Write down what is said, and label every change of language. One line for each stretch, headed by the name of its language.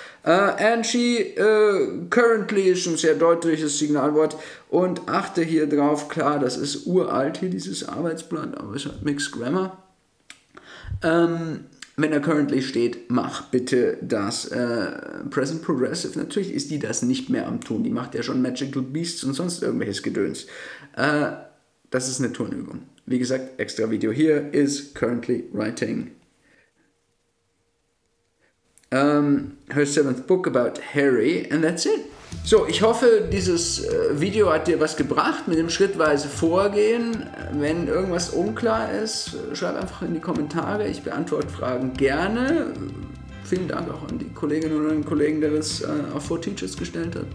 English: And she currently
German: ist ein sehr deutliches Signalwort und achte hier drauf, klar, das ist uralt hier, dieses Arbeitsblatt, aber es hat Mixed Grammar. Wenn er currently steht, mach bitte das Present Progressive. Natürlich ist die das nicht mehr am Tun. Die macht ja schon Magical Beasts und sonst irgendwelches Gedöns. Das ist eine Turnübung. Wie gesagt, extra Video hier.
English: Is currently writing her seventh book about Harry. And that's it.
German: So, ich hoffe, dieses Video hat dir was gebracht mit dem schrittweise Vorgehen. Wenn irgendwas unklar ist, schreib einfach in die Kommentare. Ich beantworte Fragen gerne. Vielen Dank auch an die Kolleginnen und Kollegen, der das auf 4Teachers gestellt hat.